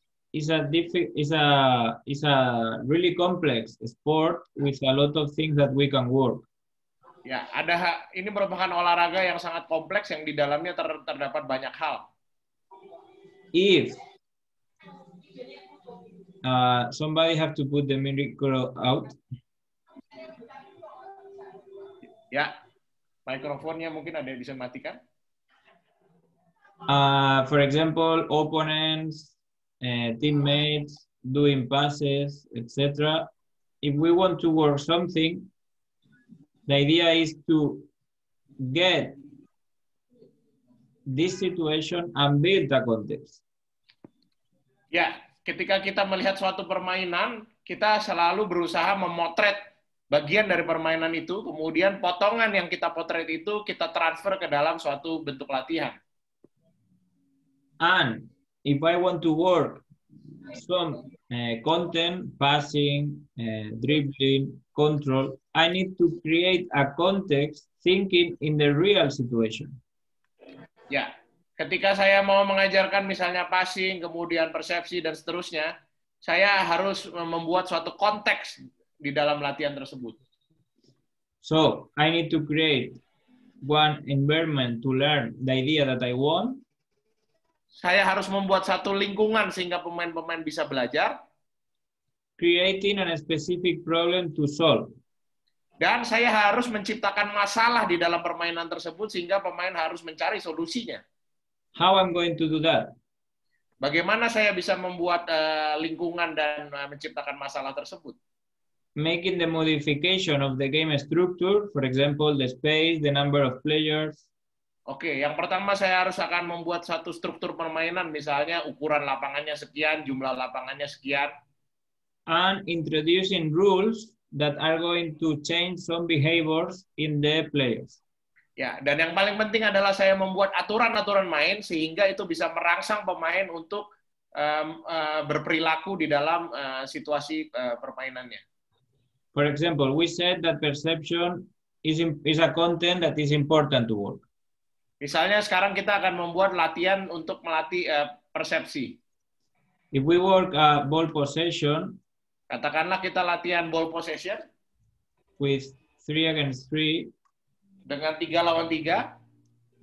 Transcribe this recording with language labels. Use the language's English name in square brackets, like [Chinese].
[English] It's a really complex sport with a lot of things that we can work. [Indonesian] Ya, ada ini merupakan olahraga yang sangat kompleks yang di dalamnya terdapat banyak hal. [English] If somebody have to put the microphone out. [Indonesian] Ya, mikrofonnya mungkin ada yang bisa matikan. [English] For example, opponents, teammates doing passes, etc. If we want to work something, the idea is to get this situation and build the context. [Indonesian] Ya, ketika kita melihat suatu permainan, kita selalu berusaha memotret bagian dari permainan itu, kemudian potongan yang kita potret itu kita transfer ke dalam suatu bentuk latihan. [English] And if I want to work some content, passing, dribbling, control, I need to create a context thinking in the real situation. [Indonesian] Ya, ketika saya mau mengajarkan misalnya passing, kemudian persepsi, dan seterusnya, saya harus membuat suatu konteks di dalam latihan tersebut. [English] So, I need to create one environment to learn the idea that I want. [Indonesian] Saya harus membuat satu lingkungan sehingga pemain-pemain bisa belajar. [English] Creating a specific problem to solve. [Indonesian] Dan saya harus menciptakan masalah di dalam permainan tersebut sehingga pemain harus mencari solusinya. [English] How I'm going to do that? [Indonesian] Bagaimana saya bisa membuat lingkungan dan menciptakan masalah tersebut? [English] Making the modification of the game structure, for example, the space, the number of players. [Indonesian] Oke, yang pertama saya harus akan membuat satu struktur permainan, misalnya ukuran lapangannya sekian, jumlah lapangannya sekian. [English] And introducing rules that are going to change some behaviors in the players. [Indonesian] Ya, dan yang paling penting adalah saya membuat aturan-aturan main sehingga itu bisa merangsang pemain untuk berperilaku di dalam situasi permainannya. [English] For example, we said that perception is a content that is important to work. [Indonesian] Misalnya sekarang kita akan membuat latihan untuk melatih persepsi. [English] If we work ball possession, [Indonesian] katakanlah kita latihan ball possession [English] with 3 against 3, [Indonesian] dengan 3 lawan 3,